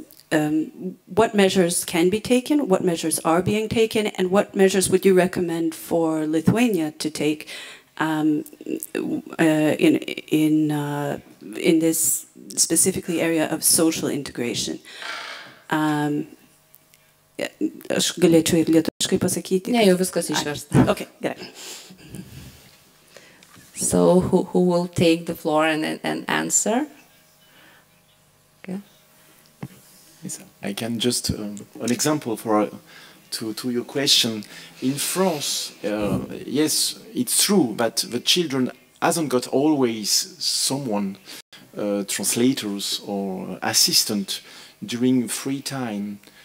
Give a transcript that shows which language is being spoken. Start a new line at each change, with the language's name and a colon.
English: What measures can be taken, what measures are being taken, and what measures would you recommend for Lithuania to take in this specifically area of social integration?
Lithuanian: Aš galėčiau ir lietuviškai pasakyti. Ne, jau viskas išversta. Okay, gerai.
English: So who will take the floor and answer? I can just an example for to your question. In France, yes, it's true, but the children hasn't got always someone, translators or assistant during free time.